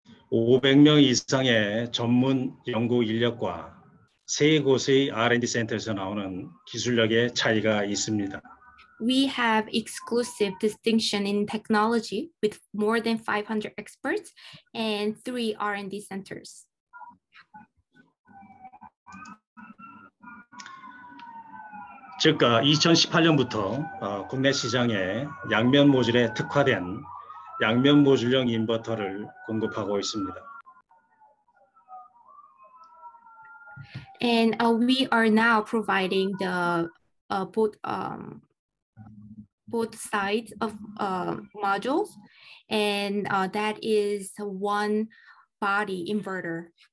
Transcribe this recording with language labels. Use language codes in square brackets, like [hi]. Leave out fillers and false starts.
[ko] 500명 이상의 전문 연구 인력과 세 곳의 R&D 센터에서 나오는 기술력의 차이가 있습니다. [en] We have exclusive distinction in technology with more than 500 experts and 3 R&D centers. [ko] 즉, 2018년부터 국내 시장에 양면 모듈에 특화된 양면 모듈형 인버터를 공급하고 있습니다. [en] And we are now providing the both sides of modules, and that is one body inverter.